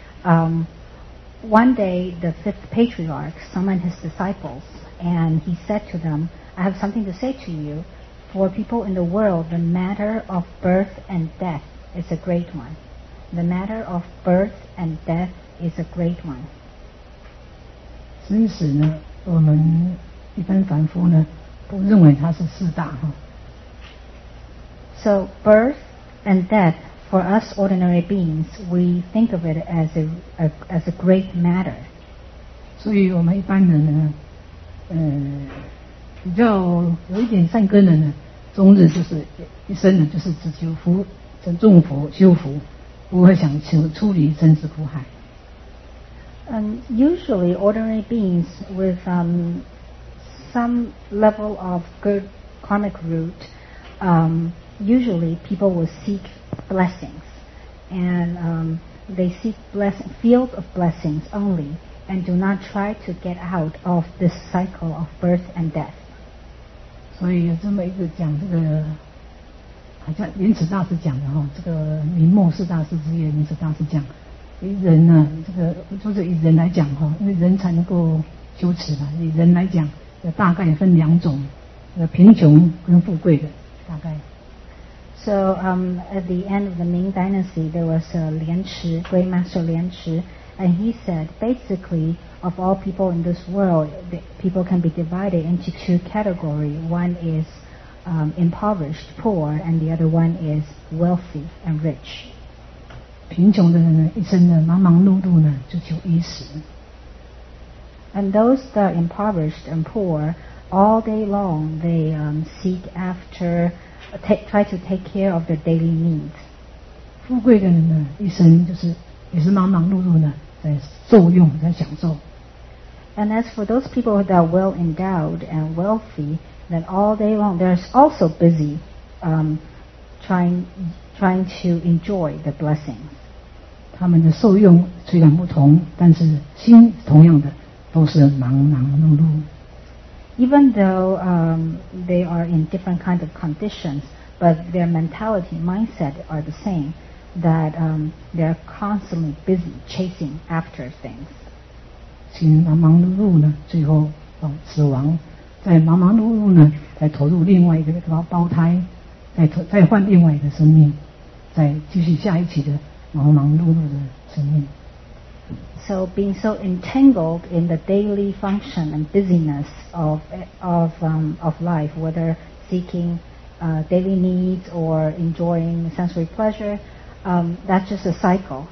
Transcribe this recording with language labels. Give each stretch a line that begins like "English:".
English: One day the fifth patriarch summoned his disciples and he said to them, I have something to say to you. For people in the world, the matter of birth and death is a great one. The matter of birth and death is a great one.
Chinese: 生死呢，我们一般凡夫呢不认为它是四大哈。
English: So birth and death, for us ordinary beings, we think of it as a great matter.
Chinese: 所以我们一般人呢，比较有一点善根的呢，终日就是一生呢，就是只求福、众福、修福，不会想求出离生死苦海。
English: Usually ordinary beings with some level of good karmic root, usually people will seek blessings, and they seek field of blessings only, and do not try to get out of this cycle of birth and death.
Chinese: 所以有这么一个讲这个，好像莲池大师讲的哈，这个明末世大师之言，莲池大师讲，以人呢、啊，这个就是以人来讲哈，因为人才能够修持嘛，以人来讲，大概分两种，贫穷跟富贵的，大概。
English: So at the end of the Ming Dynasty, there was a Lian Chi, Great Master Lian Chi, and he said basically. Of all people in this world, people can be divided into two categories. One is impoverished, poor, and the other one is wealthy and rich.
Chinese: 贫穷的人呢，一生呢忙忙碌碌呢，就求衣食。
English: And those that are impoverished and poor, all day long they seek after, try to take care of their daily needs.
Chinese: 富贵的人呢，一生就是也是忙忙碌碌呢，在受用，在享受。
English: And as for those people that are well endowed and wealthy, then all day long they're also busy trying to enjoy the blessings.
Chinese: 他们的受用虽然不同，但是心同样的，都是忙忙碌碌。
English: Even though they are in different kinds of conditions, but their mentality, mindset are the same, that they're constantly busy chasing after things.
Chinese: 心忙忙碌碌呢，最后到死亡，再忙忙碌碌呢，再投入另外一个胞胎，再换另外一个生命，再继续下一期的忙忙碌碌的生命。
English: So being so entangled in the daily function and busyness of life, whether seeking daily needs or enjoying sensory pleasure, that's just a cycle.